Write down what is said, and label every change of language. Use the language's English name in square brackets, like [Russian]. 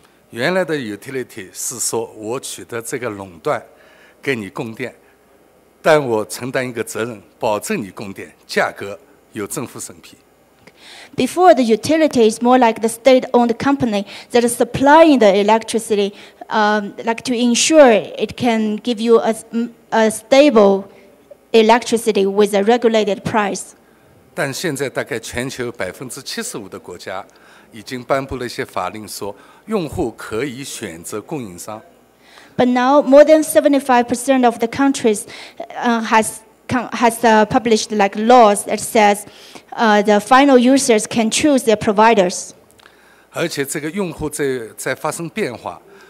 [Chinese] 原来的 utility 是说我取得这个垄断，给你供电，但我承担一个责任，保证你供电，价格由政府审批。 [English] Before the utility is more like the state-owned company that is supplying the electricity, like to ensure it can give you a stable electricity with a regulated price. [Chinese] 但现在大概全球 75%的国家已经颁布了一些法令，说用户可以选择供应商。 [English] But now more than 75% of the countries has published like laws that says the final users can choose their providers. [Chinese] 而且这个用户在发生变化。